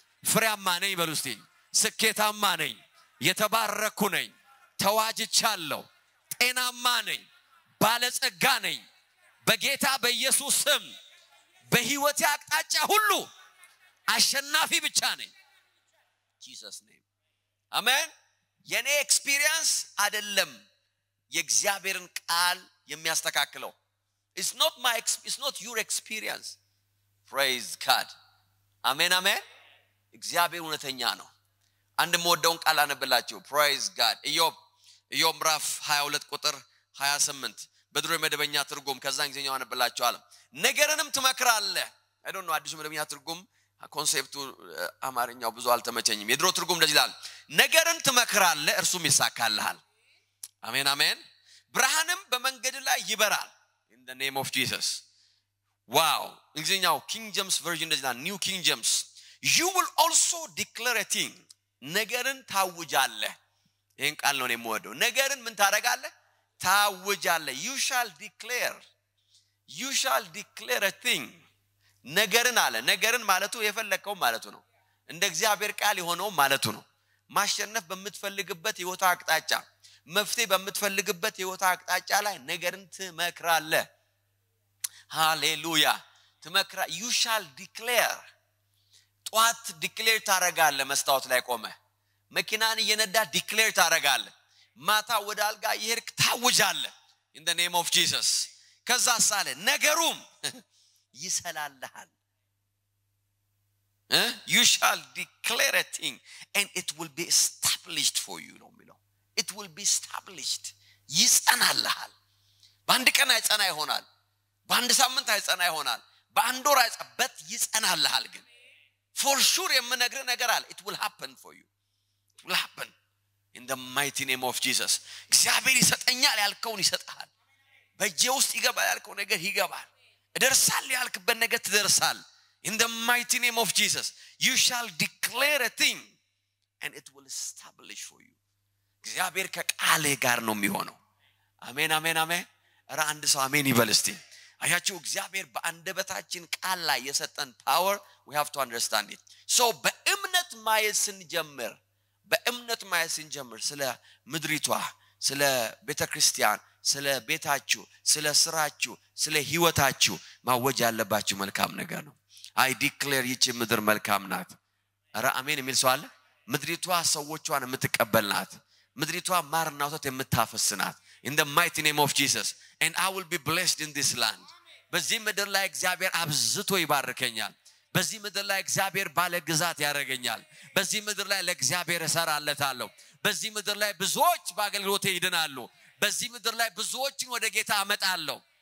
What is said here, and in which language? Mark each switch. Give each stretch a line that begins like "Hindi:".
Amharic: ፍሬያማ ነኝ ይበል እስቲ. ስኬታማ ነኝ. የተባረኩ ነኝ. ተዋጅቻለሁ. ጤናማ ነኝ. ባለጸጋ ነኝ. በጌታ በኢየሱስ ስም በህይወቴ አቅጣጫ ሁሉ አሸናፊ ብቻ ነኝ.
English: Jesus name.
Amharic: Amen. የኔ experience አይደለም የእግዚአብሔርን ቃል የሚያስተካክለው.
English: It's not my it's not your experience. Praise God. Amen amen.
Amharic: እግዚአብሔር እውነተኛ ነው. አንድ ሞደውን ቃል አነብላችሁ.
English: Praise God.
Amharic: ኢዮብ ኢዮምራፍ 22 ቁጥር 28 በድሮ የመደበኛ ትርጉም ከዛን እንግሊዘኛው አነብላችሁ አለ. ነገርንም ትመክራለህ.
English: አይ ዶንት ኖ
Amharic: አዲሱ መደበኛ ትርጉም ኮንሴፕቱ አማርኛው ብዙ አልተመቸኝም. የድሮ ትርጉም እንደዚህ ይላል. ነገርን ትመክራለህ እርሱም ይሳካልሃል. አሜን አሜን. ብርሃንም በመንገድ ላይ ይበራል.
English: In the name of Jesus.
Amharic: Wow. እንግሊዘኛው King James version እንደዚህ ይላል.
English: New King James. You will also declare a thing.
Amharic: ነገርን ታውጃለህ. ይሄን ቃል ነው የምወደው. ነገርን ምን ታረጋለህ? ታውጃለህ.
English: You shall declare. You shall declare a thing.
Amharic: ነገርን አለ. ነገርን ማለቱ የፈለከው ማለቱ ነው. እንደ እግዚአብሔር ቃል የሆነው ማለቱ ነው. ማሸነፍ በመትፈልግበት ህይወት አቅጣጫ መፍቴ በመትፈልግበት ህይወት አቅጣጫ ላይ ነገርን ትመክራለህ. ሃሌሉያ. ትመክራ.
English: You shall declare.
Amharic: ጧት ዲክሌር ታረጋለህ መስታወት ላይ ቆመ. መኪናን የነዳ ዲክሌር ታረጋለህ. ማታ ወደ አልጋ ይሄድክ ታውጃለህ.
English: In the name of Jesus.
Amharic: ከዛ ሳለ ነገሩም ይሰላልሃል.
English: You shall declare a thing and it will be established for you. No milo. It will be established.
Amharic: ይጸናልሃል. በአንድ ቀን አይጸና ይሆናል. በአንድ ሳምንት አይጸና ይሆናል. በአንድ ወር አይጸበት ይጸናልሃል ግን.
English: For sure
Amharic: የምነግርህ ነገር አለ.
English: It will happen for you. Will happen in the mighty name of Jesus.
Amharic: እግዚአብሔር ይሰጠኛል ያልከውን ይሰጣል. በጄ ውስጥ ይገባል ያልከው ነገር ይገባል. እደርሳለሁ ያልከበት ነገር ትደርሳል.
English: In the mighty name of Jesus. You shall declare a thing and it will establish for you.
Amharic: እግዚአብሔር ከቃሌ ጋር ነው የሚሆነው. አሜን አሜን አሜን. ኧረ አንድ ሰው አሜን ይበል እስቲ. አያችሁ እግዚአብሔር በአንደበታችን ቃል ላይ የሰጠን power.
English: We have to understand it.
Amharic: So በእምነት ማየት ስንጀምር በእምነት ማየት ስንጀምር ስለ ምድሪቷ ስለ ቤተክርስቲያን ስለ ቤታችሁ ስለ ስራችሁ ስለ ህይወታችሁ ማወጅ ያለባችሁ መልካም ነገር ነው.
English: አይ ዲክሌር
Amharic: ይቺ ምድር መልካም ናት. አረ አሜን የሚል ሰው አለ? ምድሪቷ ሰዎቿን የምትቀበል ናት. ምድሪቷ ማርና ወተት የምታፈስ ናት.
English: In the mighty name of Jesus. And I will be blessed in this land.
Amharic: በዚህ ምድር ላይ እግዚአብሔር አብዝቶ ይባርከኛል. በዚህ ምድር ላይ እግዚአብሔር ባለ ግዛት ያረጋኛል. በዚህ ምድር ላይ ለእግዚአብሔር ሰራለታለሁ. በዚህ ምድር ላይ ብዙዎች ባገልግሎት ይድናሉ. በዚህ ምድር ላይ ብዙዎችን ወደ ጌታ አመጣለሁ.